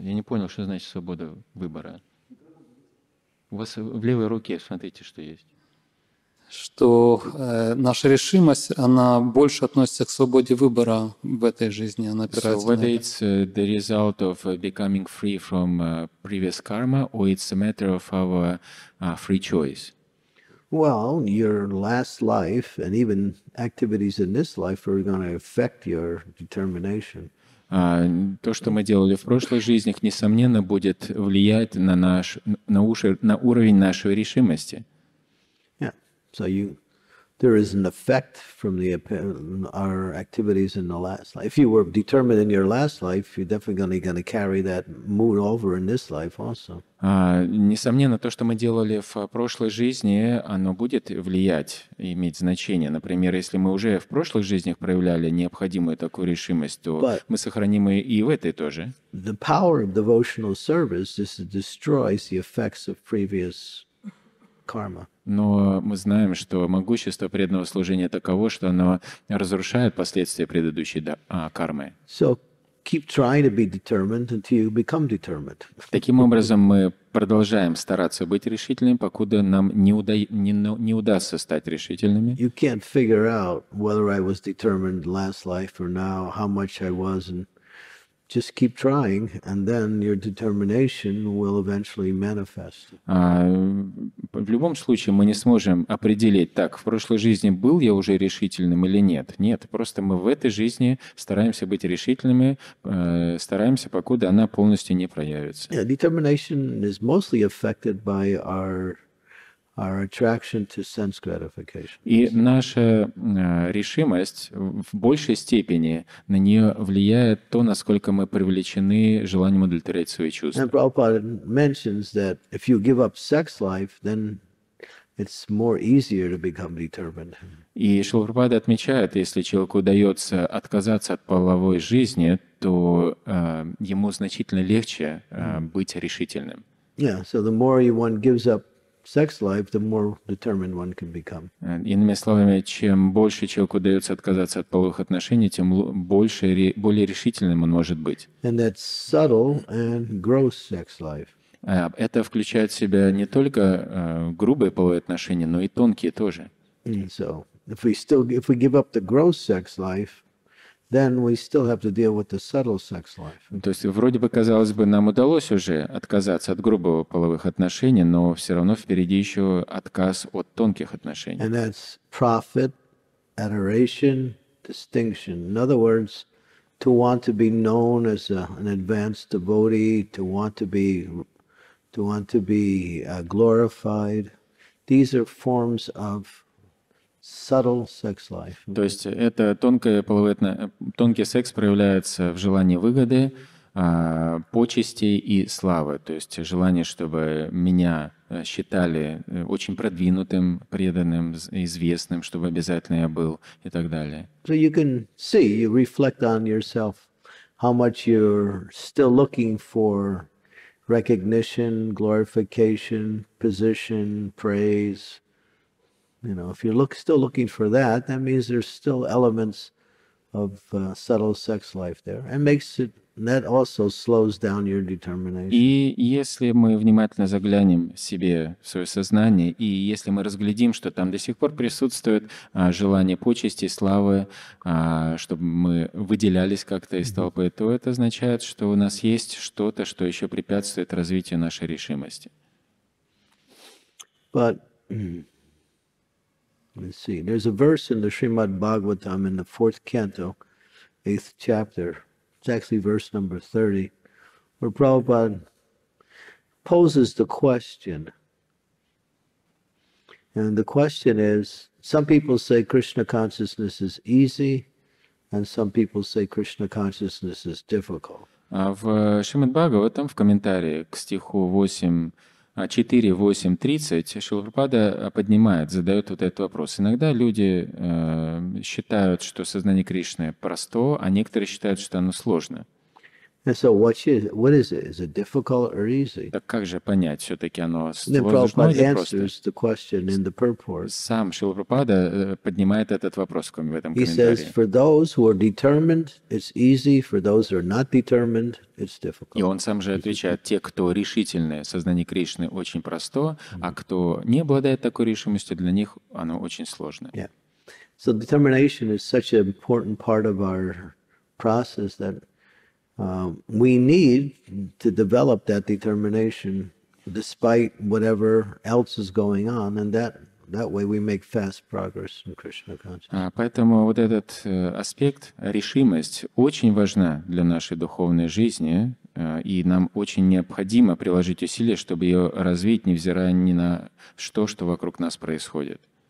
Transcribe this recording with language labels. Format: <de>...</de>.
<ru>Я не понял, что значит свобода выбора. У вас в левой руке, смотрите, что есть. Что наша решимость, она больше относится к свободе выбора в этой жизни, она опирается.</ru> <en>So whether it's the result of becoming free from previous karma, or it's a matter of our free choice. Well, your last life and even activities in this life are going to affect your determination.</en> <ru>То, что мы делали в прошлых жизнях, несомненно, будет влиять на наш, на уровень нашей решимости.</ru> <en>Yeah. So you, there is an effect from the our activities in the last life. If you were determined in your last life, you're definitely going to carry that mood over in this life also.</en> <ru>Несомненно, то, что мы делали в прошлой жизни, оно будет влиять, иметь значение. Например, если мы уже в прошлых жизнях проявляли необходимую такую решимость, то but мы сохраним ее и в этой тоже.</ru> <en>The power of devotional service is to destroy the effects of previous karma.</en> <ru>Но мы знаем, что могущество преданного служения таково, что оно разрушает последствия предыдущей кармы.</ru> <en>So keep trying to be determined until you become determined.</en> <ru>Таким образом, мы продолжаем стараться быть решительными, покуда нам не удастся стать решительными.</ru> <en>You can't figure out whether I was determined last life or now, how much I was, and just keep trying, and then your determination will eventually manifest.</en> <ru>В любом случае, мы не сможем определить, так, в прошлой жизни был я уже решительным или нет. Нет, просто мы в этой жизни стараемся быть решительными, стараемся, покуда она полностью не проявится.</ru> <en>Yeah, determination is mostly affected by our attraction to sense gratification.</en> <ru>И наша решимость в большей степени на нее влияет то, насколько мы привлечены желанием удовлетворять свои чувства.</ru> <en>And Prabhupada mentions that if you give up sex life, then it's more easier to become determined.</en> <ru>И Шрила Прабхупада отмечает, если человеку удается отказаться от половой жизни, то ему значительно легче быть решительным.</ru> <en>Yeah, so the more you one gives up sex life, the more determined one can become.</en> <ru>Иными словами, чем больше человеку удается отказаться от половых отношений, тем больше, более решительным он может быть.</ru> <en>And that's subtle and gross sex life.</en> <ru>Это включает в себя не только грубые половые отношения, но и тонкие тоже.</ru> <en>So, if we give up the gross sex life, then we still have to deal with the subtle sex life.</en> <ru>То есть вроде бы казалось бы нам удалось уже отказаться от грубого половых отношений, но все равно впереди еще отказ от тонких отношений.</ru> <en>And that's profit, adoration, distinction. In other words, to want to be known as an advanced devotee, to want to be glorified. These are forms of subtle sex life.</en> <ru>То есть это тонкий секс проявляется в желании выгоды, почести и славы. То есть желание, чтобы меня считали очень продвинутым, преданным, известным, чтобы обязательно я был и так далее.</ru> <en>So you can see, you reflect on yourself, how much you're still looking for recognition, glorification, position, praise. You know, if you're still looking for that, that means there's still elements of subtle sex life there, and that also slows down your determination.</en> <ru>И если мы внимательно заглянем себе в свое сознание, и если мы разглядим, что там до сих пор присутствует желание почести, славы, чтобы мы выделялись как-то из толпы, то это означает, что у нас есть что-то, что еще препятствует развитию нашей решимости.</ru> <en>But let's see. There's a verse in the Srimad Bhagavatam in the fourth canto, eighth chapter. It's actually verse number 30, where Prabhupada poses the question. And the question is, some people say Krishna consciousness is easy, and some people say Krishna consciousness is difficult.</en> <ru>В Шримад Бхагаватам, в комментарии к стиху 4.8.30 Шрила Прабхупада задает вот этот вопрос. Иногда люди считают, что сознание Кришны просто, а некоторые считают, что оно сложно.</ru> <en>So what is it? Is it difficult or easy?</en> <ru>Так как же понять, все-таки оно сложно или просто? Сам Шрила Прабхупада поднимает этот вопрос в этом комментарии.</ru> <en>He says, for those who are determined, it's easy. For those who are not determined, it's difficult.</en> <ru>И он сам же отвечает, те, кто решительны, сознание Кришны очень просто, а кто не обладает такой решимостью, для них оно очень сложно.</ru> <en>Yeah. So determination is such an important part of our process that we need to develop that determination despite whatever else is going on, and that way we make fast progress in Krishna consciousness.</en> <ru>Поэтому вот этот аспект, решимость, очень важна для нашей духовной жизни, и нам очень необходимо приложить усилия, чтобы ее развить, невзирая ни на что, что вокруг нас происходит.</ru>